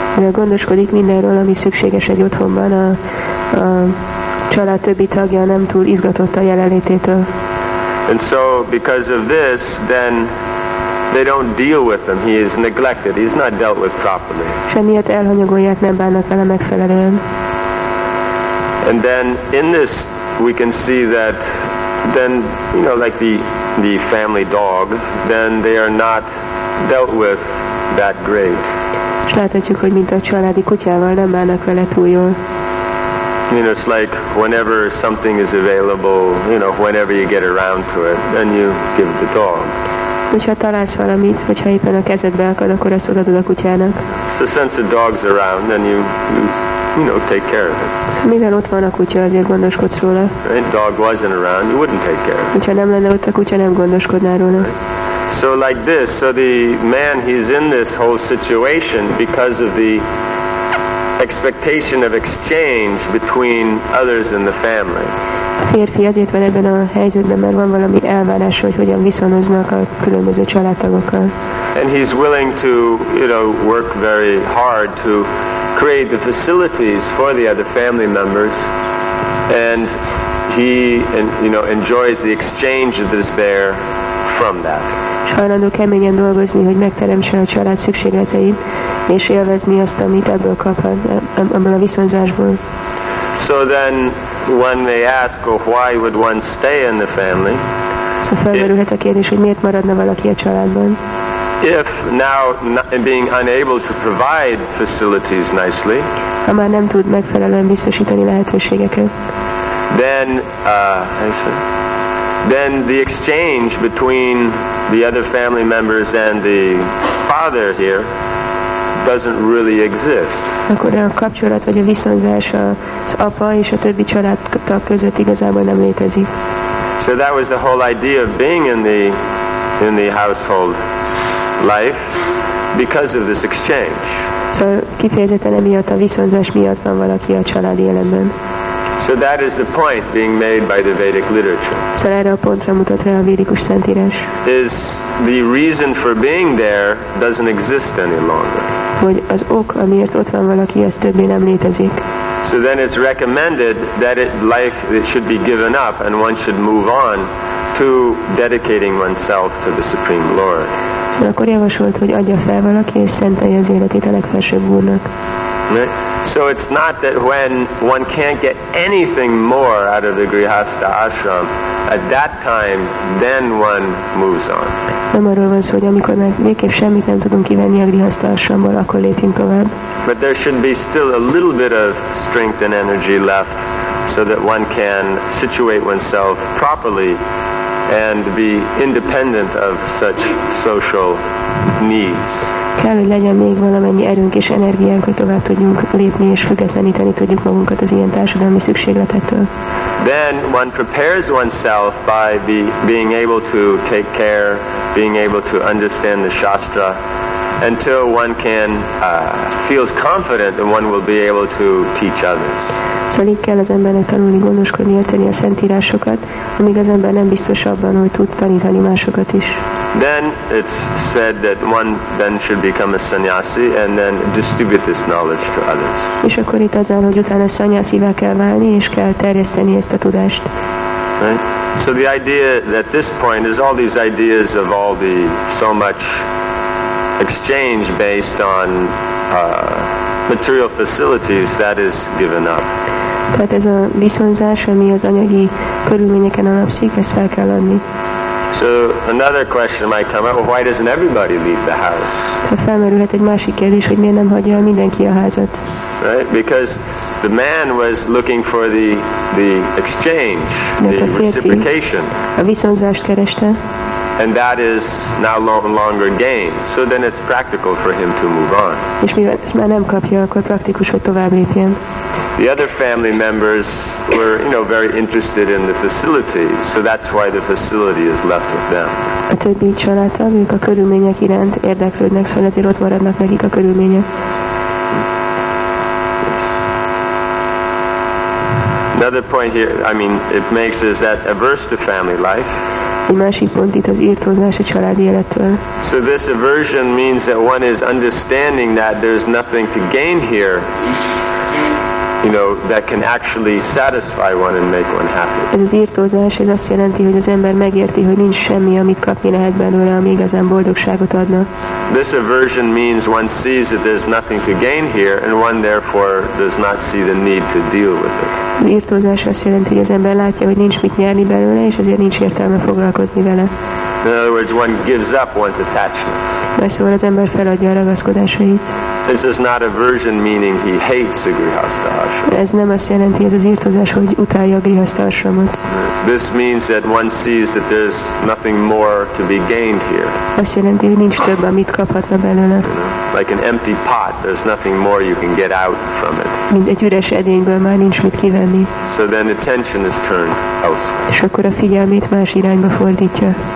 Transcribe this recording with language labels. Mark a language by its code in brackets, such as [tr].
[hu] Gondoskodik mindenről, ami szükséges egy otthonban, a család többi tagja nem túl izgatott a jelenlététől. [en] And so because of this, then they don't deal with him. He is neglected. He's not dealt with properly. [hu] Semmiért elhanyagolják, nem bánnak vele megfelelően. [en] And then in this we can see that then, like the family dog, then they are not dealt with that great. [hu] És láthatjuk, hogy mint a családi kutyával, nem bánnak vele túl jól. [en] It's like whenever something is available, whenever you get around to it, then you give the dog. [hu] Hogyha találsz valamit, hogyha éppen a kezedbe akad, akkor azt odaadod a kutyának. [en] So since the dog's around, then you take care of it. [hu] Mivel ott van a kutya, azért gondoskodsz róla. [en] If the dog wasn't around, you wouldn't take care of it. [hu] Hogyha nem lenne ott a kutya, nem gondoskodnál róla. [en] So like this, so the man, he's in this whole situation because of the expectation of exchange between others in the family. [hu] A férfi azért van ebben a helyzetben, mert van valami elvárás, hogy hogyan viszonoznak a különböző családtagokkal. [en] And he's willing to, work very hard to create the facilities for the other family members. And he, enjoys the exchange that is there from that. [hu] Hajlandó keményen dolgozni, hogy megteremtsen a család szükségleteit, és élvezni azt, amit ebből kaphat, ebből a viszonzásból. [en] So then one may ask, why would one stay in the family? [hu] Szóval felmerülhet a kérdés, hogy miért maradna valaki a családban? [en] If now being unable to provide facilities nicely, [hu] ha már nem tud megfelelően biztosítani lehetőségeket, [en] then the exchange between the other family members and the father here doesn't really exist. [hu] Akkor a kapcsolat vagy a viszonzás az apa és a többi családtag között igazából nem létezik. [en] So that was the whole idea of being in the household life because of this exchange. [hu] So kifejezetten emiatt a viszonzás miatt van valaki a családi életben. [en] So that is the point being made by the Vedic literature. [hu] So erre a pontra mutat rá a védikus szentírás. [en] Is the reason for being there doesn't exist any longer. [hu] Hogy az ok, amiért ott van valaki, az többé nem létezik. [en] So then it's recommended that life should be given up and one should move on to dedicating oneself to the Supreme Lord. [hu] Szóval akkor javasolt, hogy adja fel valaki és szentelje az életét a legfelsőbb úrnak. [en] Right? So it's not that when one can't get anything more out of the Grihastha ashram, at that time, then one moves on. [hu] Nem arról van szó, hogy amikor már végképp semmit nem tudunk kivenni a Grihastha ashramból, akkor lépjünk tovább. [en] But there should be still a little bit of strength and energy left so that one can situate oneself properly and be independent of such social needs. [hu] Kell, hogy legyen még valamennyi erőnk és energiánk, hogy tovább tudjunk lépni és függetleníteni tudjuk magunkat az ilyen társadalmi szükségletektől. [en] Then one prepares oneself by being able to take care, being able to understand the shastra, until one can feels confident that one will be able to teach others. [hu] Szóval így kell az embernek tanulni, gondoskodni, érteni a szentírásokat, amíg az ember nem biztos abban, hogy tud tanítani másokat is. [en] Then it's said that one then should become a sannyasi and then distribute this knowledge to others. [hu] És akkor itt az áll, hogy utána szanyászivá kell válni, és kell terjeszteni ezt a tudást. [en] Right? So the idea at this point is all these ideas of all the so much exchange based on material facilities that is given up. [hu] Tehát ez a viszonzás, ami az anyagi körülményeken alapszik, ezt fel kell adni. [en] So another question might come up, why doesn't everybody leave the house? [hu] Tehát felmerülhet egy másik kérdés, hogy miért nem hagyja el mindenki a házat. [en] Right? Because the man was looking for the exchange, the reciprocation. [hu] A viszonzást kereste. [en] And that is now no longer gained. So then it's practical for him to move on. [hu] És mivel ezt már nem kapja, akkor praktikus, hogy tovább lépjen. [en] The other family members were, you know, very interested in the facility, so that's why the facility is left with them. [hu] A többi családtag, ők a körülmények iránt érdeklődnek, szóval ezért ott maradnak nekik a körülmények. [en] Another point here, I mean, it makes is that averse to family life. [hu] Egy másik pont itt az irtózás a családi élettől. [en] So this aversion means that one is understanding that there's nothing to gain here, you know, that can actually satisfy one and make one happy. [hu] Ez az irtózás, ez azt jelenti, hogy az ember megérti, hogy nincs semmi, amit kapni lehet belőle, ami igazán boldogságot adna. [en] This aversion means one sees that there's nothing to gain here, and one therefore does not see the need to deal with it. [hu] Az irtózás azt jelenti, hogy az ember látja, hogy nincs mit nyerni belőle, és azért nincs értelme foglalkozni vele. [en] In other words, one gives up one's attachments. [hu] Mert szóval az ember feladja a ragaszkodásait. [en] This is not aversion meaning he hates the Grihastha ashram. [hu] Ez nem azt jelenti, ez az irtózás, hogy utálja a Grihastha ashramot. [en] This means that one sees that there's nothing more to be gained here. [hu] Azt jelenti, hogy nincs több, amit kaphatna belőle. [en] Like an empty pot, there's nothing more you can get out from it. [hu] Mint egy üres edényből már nincs mit kivenni. [en] So then the attention is turned elsewhere. [hu] És akkor a figyelmét más irányba fordítja.